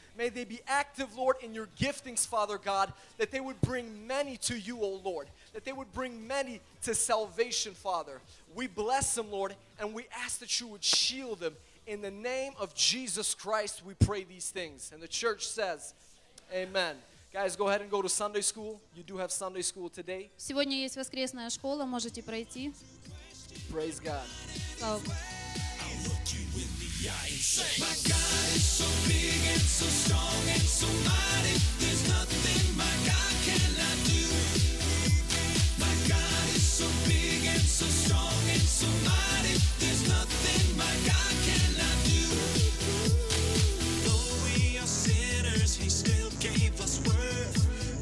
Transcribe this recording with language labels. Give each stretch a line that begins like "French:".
English: May they be active, Lord, in your giftings, Father God, that they would bring many to you, O Lord, that they would bring many to salvation, Father. We bless them, Lord, and we ask that you would shield them. In the name of Jesus Christ, we pray these things. And the church says, amen. Guys, go ahead and go to Sunday school. You do have Sunday school today.
Russian: Сегодня есть воскресная школа, можете пройти.
English: Praise God. Oh. yeah, insane. My God is so big and so strong and so mighty. There's nothing my God cannot do. My God is so big and so strong and so mighty. There's nothing my God cannot do. Though we are sinners, He still gave us worth.